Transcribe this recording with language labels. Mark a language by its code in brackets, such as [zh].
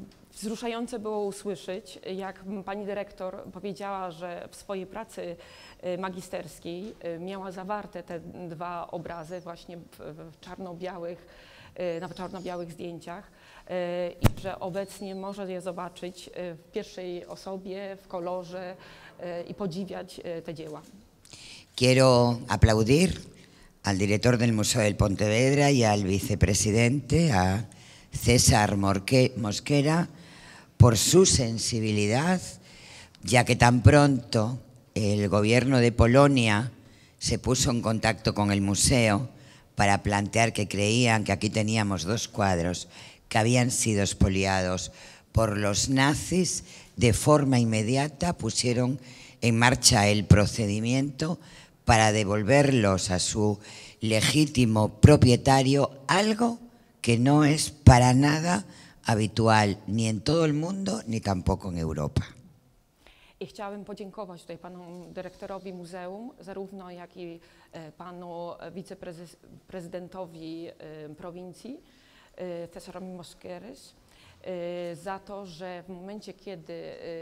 [pl] Wzruszające było usłyszeć, jak pani dyrektor powiedziała, że w swojej pracy magisterskiej miała zawarte te dwa obrazy właśnie w czarno-białych zdjęciach i że obecnie może je zobaczyć w pierwszej osobie, w kolorze i podziwiać te dzieła. [es] Quiero aplaudir al director del Museo del Pontevedra y al vicepresidente, a César Mosquera, por su sensibilidad, ya que tan pronto el gobierno de Polonia se puso en contacto con el museo para plantear que creían que aquí teníamos dos cuadros que habían sido expoliados por los nazis. De forma inmediata pusieron en marcha el procedimiento para devolverlos a su legítimo propietario, algo que no es para nada habitual ni en todo el mundo ni tampoco en Europa. [pl] I chciałabym podziękować tutaj panu dyrektorowi muzeum, zarówno jak i panu wiceprezydentowi prowincji, Cesarowi Moskieres, za to, że w momencie, kiedy